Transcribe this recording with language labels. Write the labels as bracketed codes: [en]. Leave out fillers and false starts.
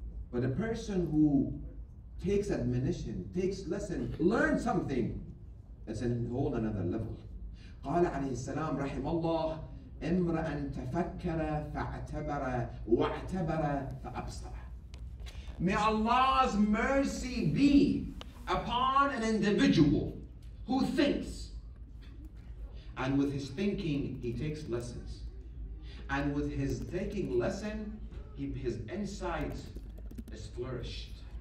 [en] But a person who takes admonition, takes lesson, learns something, it's a whole another level. [ar] قال عليه السلام رحم الله امرأ تفكر فاعتبر واعتبر فأبصر. [en] May Allah's mercy be upon an individual who thinks, and with his thinking he takes lessons, and with his taking lesson his insight is flourished.